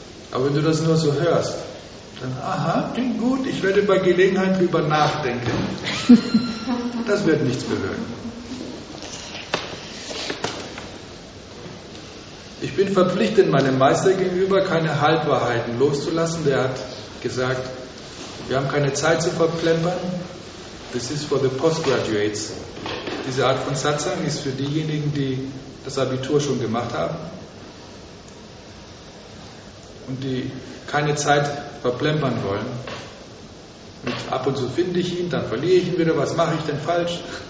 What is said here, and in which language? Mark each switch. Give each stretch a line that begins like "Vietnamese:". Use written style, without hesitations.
German: Aber wenn du das nur so hörst, dann, aha, klingt gut, ich werde bei Gelegenheit drüber nachdenken. Das wird nichts bewirken. Ich bin verpflichtet, meinem Meister gegenüber keine Halbwahrheiten loszulassen. Der hat gesagt, wir haben keine Zeit zu verplempern.
English: This is for the postgraduates.
German: Diese Art von Satsang ist für diejenigen, die das Abitur schon gemacht haben. Und die keine Zeit verplempern wollen. Und ab und zu finde ich ihn, dann verliere ich ihn wieder. Was mache ich denn falsch?